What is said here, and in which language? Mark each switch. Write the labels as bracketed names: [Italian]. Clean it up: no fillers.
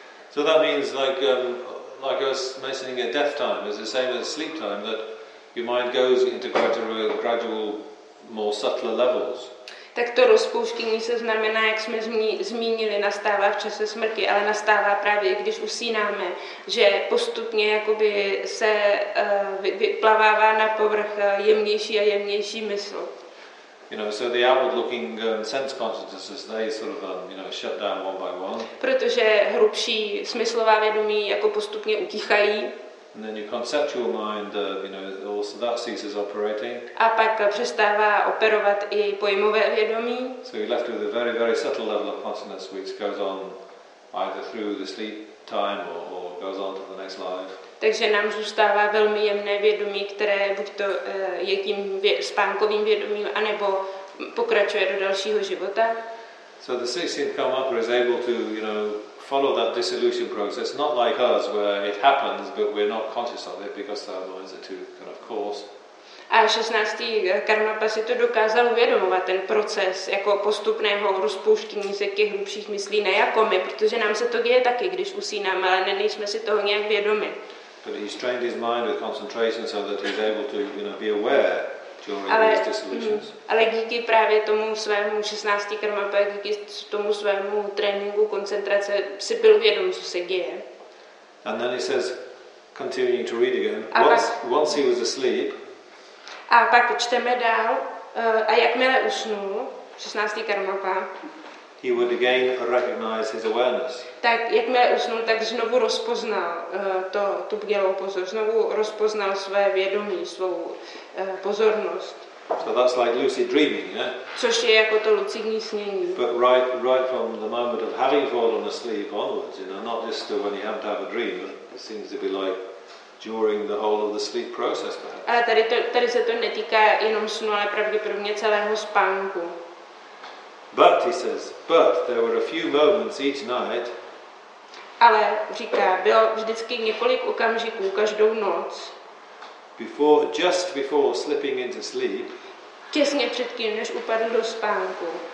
[English] So that means like I was mentioning a death time, it's the same as sleep time, that your mind goes into gradual, more subtler levels. [Czech] Tak to rozpouštění se znamená, jak jsme zmínili, nastává v čase smrti, ale nastává právě i když usínáme, že postupně jakoby se vyplavává na povrch jemnější a jemnější mysl. [English] You know, so the outward-looking sense consciousnesses, they sort of, you know, shut down one by one. [Czech] Protože hrubší smyslová vědomí jako postupně utichají. [English] And then your conceptual mind, you know, also that ceases operating. [Czech] A pak přestává operovat i pojmové vědomí. [English] So you're left with a very, very subtle level of consciousness, which goes on either through the sleep time or goes on to the next life. [Czech] Takže nám zůstává velmi jemné vědomí, které buď to je tím spánkovým vědomím, anebo pokračuje do dalšího života. [English] So the 16th Karmapa is able to, you know, follow that dissolution process, not like us, where it happens, but we're not conscious of it, because our minds are too kind of coarse. [Czech] A 16. Karmapa si to dokázal uvědomovat, ten proces jako postupného rozpouštění se těch hlubších myslí, ne jako my, protože nám se to děje taky, když usínáme, ale nejsme si toho nějak vědomi. [English] But he's trained his mind with concentration so that he's able to, you know, be aware during these dissolutions. [Czech] Ale díky právě tomu svému 16. Karmapa, díky tomu svému tréninku koncentrace, si byl vědom, co se děje. [English] And then he says, continuing to read again, once he was asleep. [Czech] A pak čteme dál, a jakmile usnul 16. Karmapa, [English] he would again recognize his awareness. [Czech] Tak jakmile usnul, tak znovu rozpoznal tu bdělou pozornost, znovu rozpoznal své vědomí, svou pozornost. [English] So that's like lucid dreaming, yeah? [Czech] Což je jako to lucidní snění. [English] But right from the moment of having fallen asleep onwards, you know, not just when you have to have a dream, it seems to be like during the whole of the sleep process, perhaps. [Czech] Ale tady se to netýká jenom snu, ale pravděpodobně celého spánku. [English] But he says, but there were a few moments each night. [Czech] Ale říká, bylo vždycky několik okamžiků každou noc. [English] Just before slipping into sleep. [Czech] Těsně předtím, než upadl do spánku.